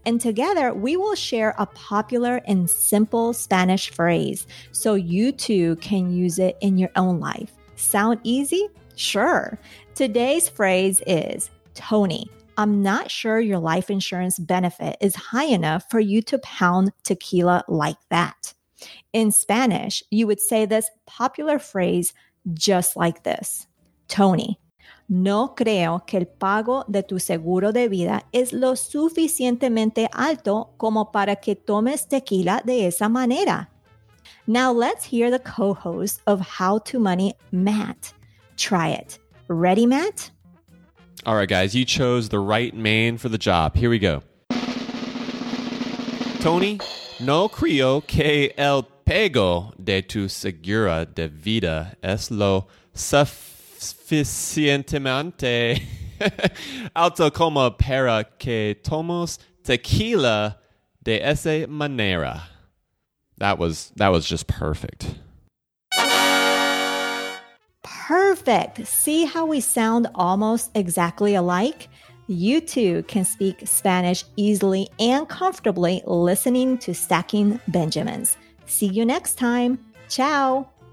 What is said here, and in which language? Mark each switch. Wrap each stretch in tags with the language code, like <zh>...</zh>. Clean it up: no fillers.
<en>And together, we will share a popular and simple Spanish phrase so you too can use it in your own life. Sound easy? Sure. Today's phrase is Tony. I'm not sure your life insurance benefit is high enough for you to pound tequila like that. In Spanish, you would say this popular phrase just like this.</en> <es>Tony, no creo que el pago de tu seguro de vida es lo suficientemente alto como para que tomes tequila de esa manera.</es> <en>Now let's hear the co-host of How to Money, Matt. Try it. Ready, Matt? All right, guys, you chose the right man for the job. Here we go.</en> <es>Tony, no creo que el pago de tu seguro de vida es lo suficientemente alto como para que tomes tequila de esa manera.</es> <en>That was just perfect. Perfect. See how we sound almost exactly alike? you too can speak Spanish easily and comfortably listening to Stacking Benjamins. See you next time. Ciao.</en>